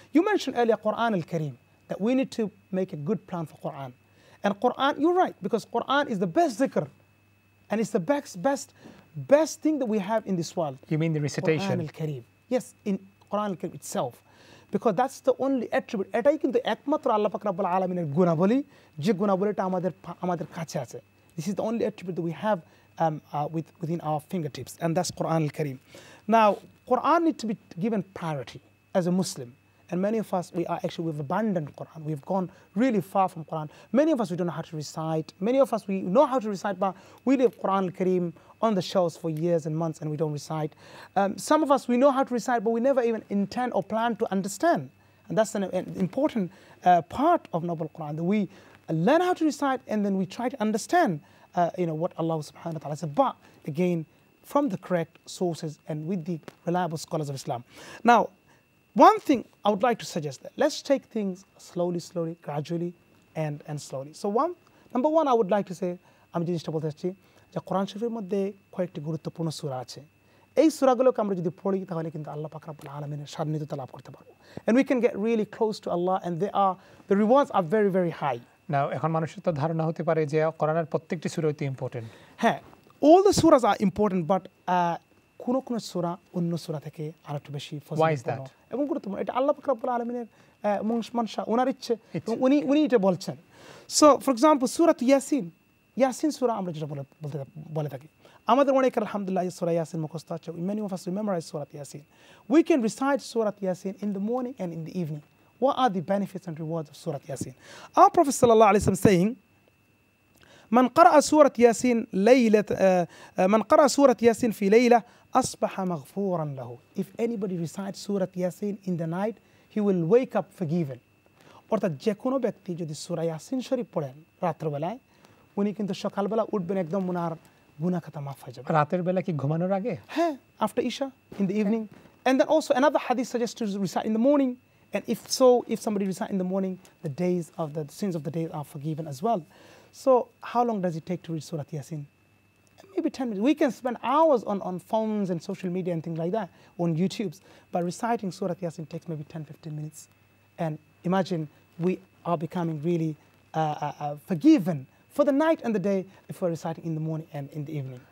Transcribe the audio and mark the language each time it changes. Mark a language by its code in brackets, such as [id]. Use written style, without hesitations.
[en] You mentioned earlier Quran al-Kareem, that we need to make a good plan for Quran. And Quran, you're right, because Quran is the best dhikr. And it's the best thing that we have in this world. You mean the recitation? Quran al-Kareem. Yes, in Quran al-Kareem itself. Because that's the only attribute. [bn] এটাই কিন্তু একমাত্র আল্লাহ পাক রাব্বুল আলামিনের গুণাবলী যে গুণাবলীটা আমাদের কাছে আছে. [en] This is the only attribute that we have within our fingertips. And that's Quran al-Kareem. Now, Quran needs to be given priority as a Muslim. And many of us, we've abandoned Quran. We've gone really far from Quran. Many of us, we don't know how to recite. Many of us, we know how to recite, but we leave Quran al-Kareem on the shelves for years and months and we don't recite. Some of us, we know how to recite, but we never even intend or plan to understand. And that's an important part of Noble Quran, that we learn how to recite and then we try to understand what Allah subhanahu wa ta'ala said. But again, from the correct sources and with the reliable scholars of Islam. Now, one thing I would like to suggest, that let's take things slowly, slowly, gradually, and slowly. So one, number one, I would like to say, [bn] আমি জিনিসটা বলতে চাচ্ছি যে কোরআন শরীফের মধ্যে কয়েকটি গুরুত্বপূর্ণ সুরা আছে, এই সুরাগুলোকে আমরা যদি পড়ি তাহলে কিন্তু আল্লাহ পাক রাব্বুল আলামিনের সান্নিধ্যতা লাভ করতে পারবো, [en] And we can get really close to Allah, and they are the rewards are very very high. [bn] নাও এখন মানুষের তো ধারণা হতে পারে যে কোরআনের প্রত্যেকটি সুরা অতি ইম্পর্টেন্ট। হ্যাঁ, [en] all the সুরাস are important, but [bn] কোন কোন সুরা অন্য সুরা থেকে আর একটু বেশি ফজিলত এবং গুরুত্বপূর্ণ, এটা আল্লাহ পাক রাব্বুল আলামিনের মনসা, ওনার ইচ্ছে, উনি এটা বলছেন। [en] so for example সুরা ইয়াসিন, [bn] ইয়াসিন সুরা আমরা যেটা বলে থাকি আমাদের অনেক, আলহামদুলিল্লাহ সুরা ইয়াসিন মুখস্থ আছে, [en] Many of us memorize সুরাত ইয়াসিন, we can recite সুরাত ইয়াসিন in the morning and in the evening, what are the benefits and rewards of সুরাত ইয়াসিন। [ar] আর প্রফেসর সাল্লাল্লাহু আলাইহি ওয়াসাল্লাম সেইং, من قرأ سورة ياسين ليلة من قرأ سورة ياسين في ليلة أصبح مغفورا له. [en] If anybody recites سورة ياسين in the night, he will wake up forgiven. [bn] অর্থাৎ যে কোনো ব্যক্তি যদি সুরা ইয়াসিন শরীফ পড়েন রাত্রবেলায়, উনি কিন্তু সকালবেলা উঠবেন একদম, ওনার গুনাহ খাতা মাফ হয়ে যাবে। রাতের বেলা কি ঘুমানোর আগে? [en] হ্যাঁ, আফটার ইশা in the evening, and then also another হাদিস suggest to recite in the morning, and if so if somebody recite in the morning, the days of the sins of the day are forgiven as well. So how long does it take to read Surah Yasin? Maybe 10 minutes. We can spend hours on phones and social media and things like that, on YouTube. But reciting Surah Yasin takes maybe 10, 15 minutes. And imagine we are becoming really forgiven for the night and the day if we're reciting in the morning and in the evening.